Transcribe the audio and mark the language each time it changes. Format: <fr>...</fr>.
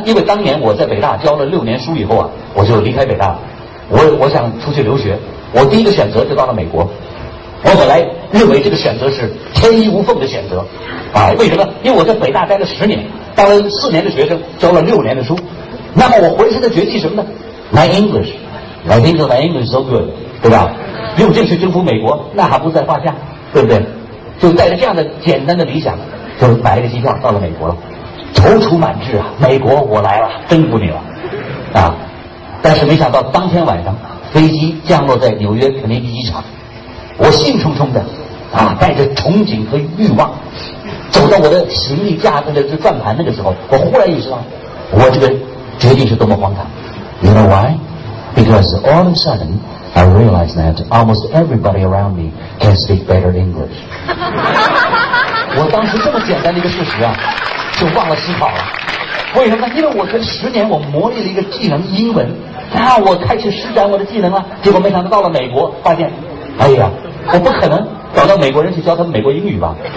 <zh>因为当年我在北大教了六年书以后啊，我就离开北大了，我想出去留学，我第一个选择就到了美国。我本来认为这个选择是天衣无缝的选择啊，为什么？因为我在北大待了十年，当了四年的学生，教了六年的书，那么我回身的绝技什么呢？</zh> <en>My English so good，</en> <zh>对吧？用这去征服美国那还不在话下，对不对？就带着这样的简单的理想，就买了个机票到了美国了，踌躇满志啊，美国我来了，征服你了啊。但是没想到当天晚上飞机降落在纽约肯尼迪机场，我兴冲冲的啊，带着憧憬和欲望走到我的行李架的转盘，那个时候我忽然意识到我这个决定是多么荒唐。</zh> <en>You know why? Because all of a suddenI realize that almost everybody around me can speak better English.</en> <zh>我当时这么简单的一个事实啊，就忘了思考了。为什么呢？因为我这十年我磨练了一个技能英文，那我开始施展我的技能了。结果没想到到了美国，发现，哎呀，我不可能找到美国人去教他们美国英语吧？</zh>